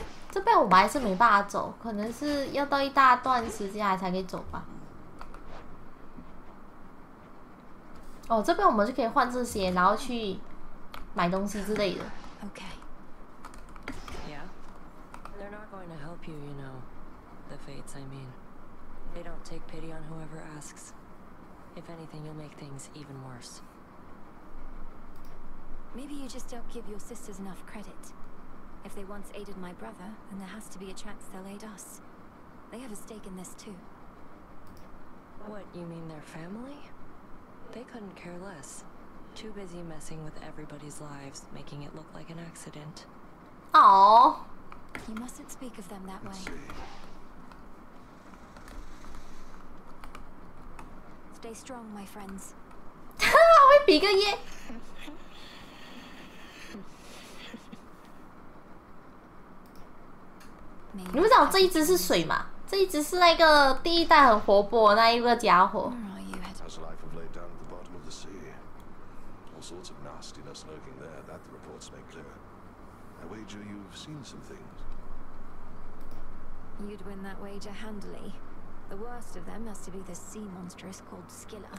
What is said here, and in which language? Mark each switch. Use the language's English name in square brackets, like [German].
[Chinese] 这边我们还是没办法走，可能是要到一大段时间才可以走吧。哦，这边我们就可以换这些，然后去买东西之类的。 [English] OK. Yeah. They're not going to help you, you know. The fates, I mean. They don't take pity on whoever asks. If anything, you'll make things even worse. Maybe you just don't give your sisters enough credit. If they once aided my brother, then there has to be a chance they'll aid us. They have a stake in this too. What, you mean their family? They couldn't care less. Too busy messing with everybody's lives, making it look like an accident. Aww. You mustn't speak of them that way. Stay strong, my friends. [Chinese] 会比个耶。你们知道这一只是水吗？这一只是那个第一代很活泼的那一个家伙。 [English] How's life of late down at the bottom of the sea? All sorts of nastiness lurking there, that the reports make clear. I wager you've seen some things. You'd win that wager handily. The worst of them has to be the sea monstrous called Skilla.